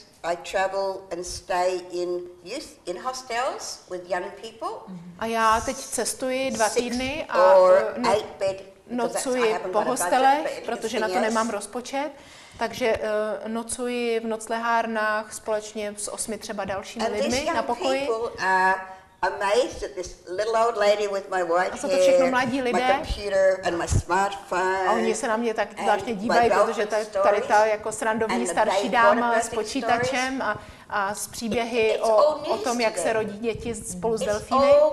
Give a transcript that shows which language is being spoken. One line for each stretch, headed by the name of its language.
English: I travel and stay in youth in hostels with young people.
Czech: A já teď cestuji 2 týdny a nocuji po hostelech, protože na to nemám rozpočet. Takže nocuji v noclehárnách společně s 8 třeba dalšími lidmi na pokoji.
English: Amazed at this little old lady with my white hair.
Czech: A to všechno mladí lidé.
English: My computer and my smartphone.
Czech: A oni se na mě tak zvláštně dívají, protože tady ta jako srandovní starší dáma s počítačem a s příběhy o tom, jak se rodí děti spolu s delfíny.